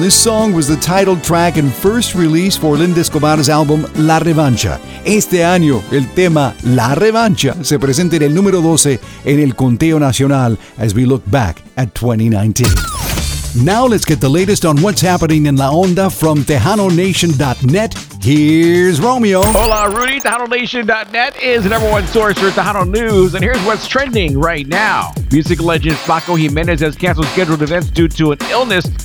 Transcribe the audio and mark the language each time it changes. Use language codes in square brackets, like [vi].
[en] This song was the title track and first release for Linda Escobar's album La Revancha. [es] Este año, el tema La Revancha se presenta en el número 12 en el conteo nacional [en] as we look back at 2019. Now let's get the latest on what's happening in La Onda from TejanoNation.net. Here's Romeo. [es] Hola, Rudy. [en] TejanoNation.net is the number one source for Tejano news, and here's what's trending right now. Music legend Paco Jimenez has canceled scheduled events due to an illness.